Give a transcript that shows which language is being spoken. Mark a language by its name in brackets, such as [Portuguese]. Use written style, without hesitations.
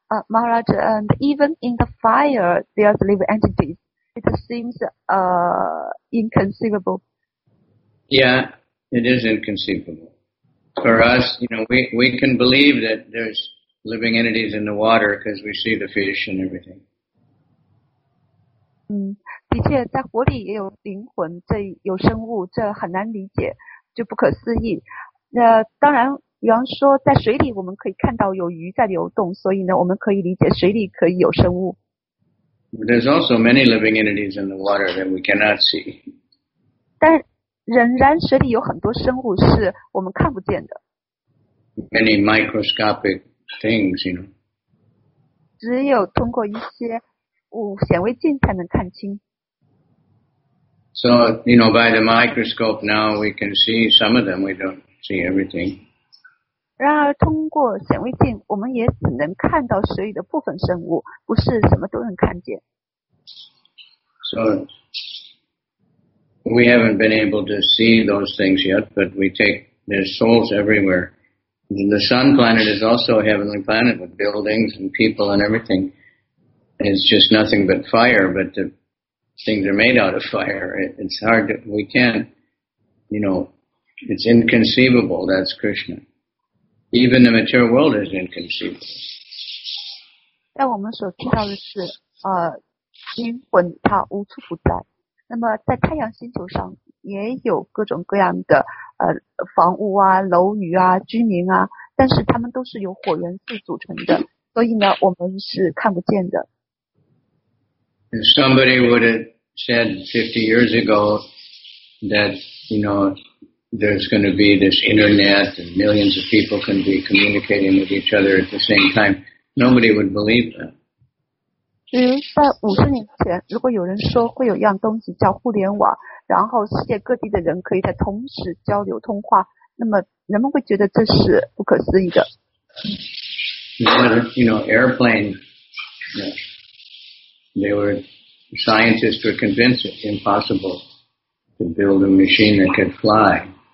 [English] Maharaj, and even in the fire, there's living entities. It seems inconceivable. Yeah, it is inconceivable. For us, you know, we can believe that there's living entities in the water because we see the fish and everything. [Chinese] 的确，在火里也有灵魂，这有生物，这很难理解，就不可思议。那当然，比方说在水里，我们可以看到有鱼在流动，所以呢，我们可以理解水里可以有生物。 [English] There's also many living entities in the water that we cannot see. [Chinese] 但仍然水里有很多生物是我们看不见的。 [English] Many microscopic things, you know. [Chinese] 只有通过一些显微镜才能看清。 [English] So, you know, by the microscope now we can see some of them, we don't see everything. [Chinese] 然而通过显微镜我们也只能看到水里的部分生物，不是什么都能看见。 [English] So,We haven't been able to see those things yet, but we take, there's souls everywhere. The sun planet is also a heavenly planet with buildings and people and everything. It's just nothing but fire, but the things are made out of fire. It's hard to, we can't, you know, it's inconceivable, that's Krishna. Even the material world is inconceivable. [Chinese] 但我们所听到的是灵魂它无处不在。那么在太阳星球上也有各种各样的房屋啊、楼宇啊、居民啊，但是他们都是由火元素组成的，所以呢我们是看不见的。 [English] If somebody would have said 50 years ago that, you know, there's going to be this internet and millions of people can be communicating with each other at the same time, nobody would believe that. [Chinese] 比如在50年前，如果有人说会有一样东西叫互联网，然后世界各地的人可以在同时交流通话，那么人们会觉得这是不可思议的。 [English] You know, airplane, they were, scientists were convinced it's impossible to build a machine that could fly.